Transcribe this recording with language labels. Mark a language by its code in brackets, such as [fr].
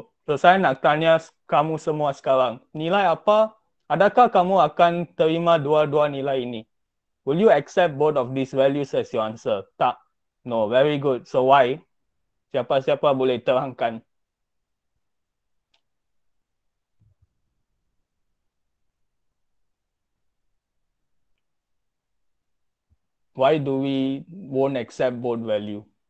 [en] So [ms] saya nak tanya kamu semua sekarang. Nilai apa? Adakah kamu akan terima dua-dua nilai ini? [en] Will you accept both of these values as your answer? [ms] Tak. [en] No, very good. So why? [ms] Siapa-siapa boleh terangkan. [en] Why do we won't accept both value?